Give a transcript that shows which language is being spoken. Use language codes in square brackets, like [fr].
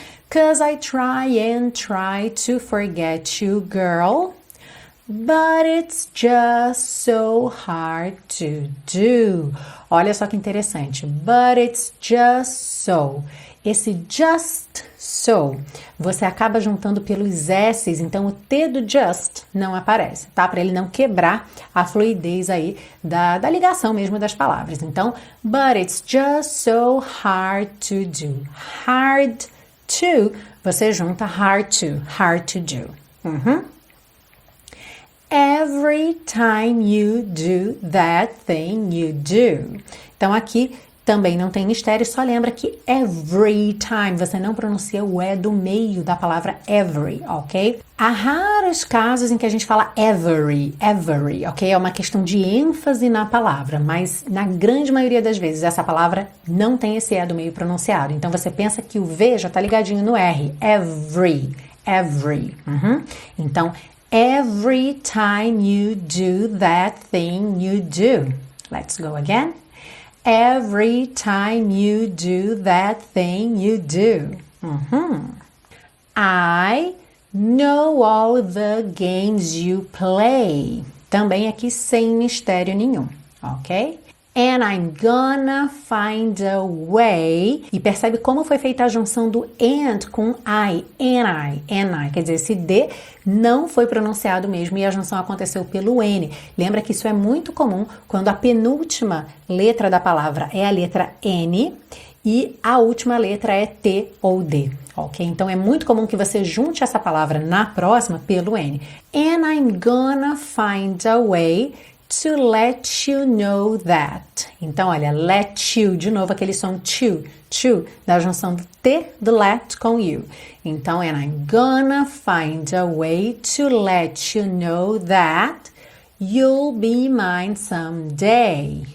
[en] Cause I try and try to forget you, girl, but it's just so hard to do. [pt] Olha só que interessante. [en] But it's just so. [pt] Esse [en] just so, [pt] você acaba juntando pelos S's, então o T do just não aparece, tá? Para ele não quebrar a fluidez aí da ligação mesmo das palavras. [en] Então, but it's just so hard to do. Hard to, [pt] você junta [en] hard to do. Every time you do that thing you do. [pt] Então, aqui também não tem mistério, só lembra que [en] every time, [pt] você não pronuncia o E do meio da palavra every, ok? Há raros casos em que a gente fala [en] every, every, [pt] ok? É uma questão de ênfase na palavra, mas na grande maioria das vezes essa palavra não tem esse E do meio pronunciado. Então você pensa que o V já tá ligadinho no R. [en] Every, every. Então, every time you do that thing you do. Let's go again. Every time you do that thing you do. I know all the games you play. [pt] Também aqui sem mistério nenhum, ok? [en] And I'm gonna find a way. [pt] E percebe como foi feita a junção do and com I. [en] And I. [pt] Quer dizer, esse D não foi pronunciado mesmo e a junção aconteceu pelo N. Lembra que isso é muito comum quando a penúltima letra da palavra é a letra N e a última letra é T ou D. Ok? Então é muito comum que você junte essa palavra na próxima pelo N. [en] And I'm gonna find a way to let you know that. [pt] Então, olha, [en] let you, [pt] de novo aquele som to, da junção do T do let com you. [en] Então, and I'm gonna find a way to let you know that you'll be mine someday.